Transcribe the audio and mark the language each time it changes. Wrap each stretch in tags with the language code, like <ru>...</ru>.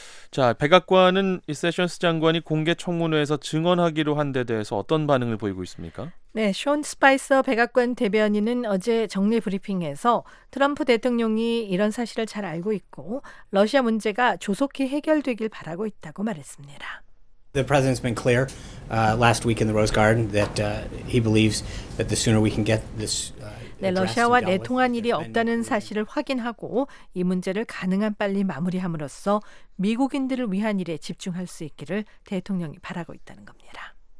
<ko>자, 백악관은 이 세션스 장관이 공개 청문회에서 증언하기로 한 데 대해서 어떤 반응을 보이고 있습니까? 네, 숀 스파이서 백악관 대변인은 어제 정례 브리핑에서 트럼프 대통령이 이런 사실을 잘 알고 있고 러시아 문제가 조속히 해결되길 바라고 있다고 말했습니다.</ko> <en>The president's been clear last week in the Rose Garden that he believes that the sooner we can get this</en> <ko>네, 러시아와 내통한 일이 없다는 사실을 확인하고 이 문제를 가능한 빨리 마무리함으로써 미국인들을 위한 일에 집중할 수 있기를 대통령이 바라고 있다는 겁니다.</ko>